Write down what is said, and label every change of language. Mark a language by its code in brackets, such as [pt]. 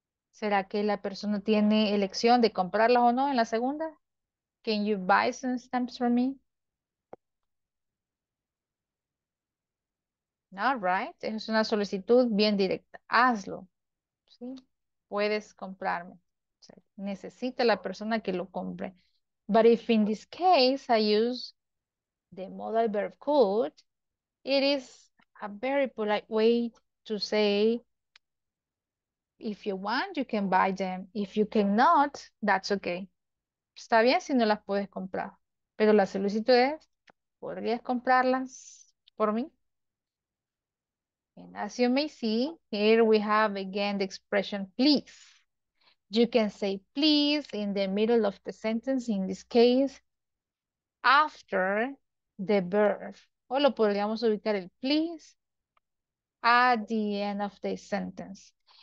[es] ¿Será que la persona tiene elección de comprarlas o no en la segunda? [en] Can you buy some stamps for me? All right. [es] Es una solicitud bien directa. Hazlo. ¿Sí? Puedes comprarme. O sea, necesita la persona que lo compre. [en] But if in this case I use the modal verb could, it is a very polite way to say, if you want, you can buy them. If you cannot, that's okay. [es] Está bien si no las puedes comprar. Pero la solicitud es, ¿podrías comprarlas por mí? [en] And as you may see, here we have again the expression please. You can say please in the middle of the sentence, in this case, after the verb. [es] O lo podríamos ubicar el please at the end of the sentence.